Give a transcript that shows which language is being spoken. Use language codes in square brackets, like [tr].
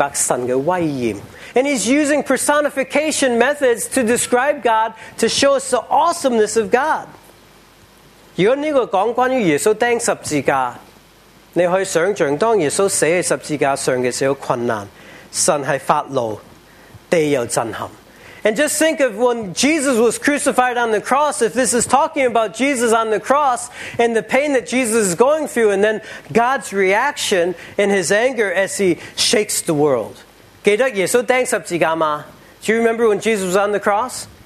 [en] And he's using personification methods to describe God, to show us the awesomeness of God. [zh] 如果这个讲关于耶稣钉十字架，你可以想象当耶稣死在十字架上的时候困难，神是发怒，地又震撼。 [en] And just think of when Jesus was crucified on the cross, if this is talking about Jesus on the cross and the pain that Jesus is going through, and then God's reaction in his anger as he shakes the world. [zh] 记得耶稣钉十字架吗？ [en] Do you remember when Jesus was on the cross?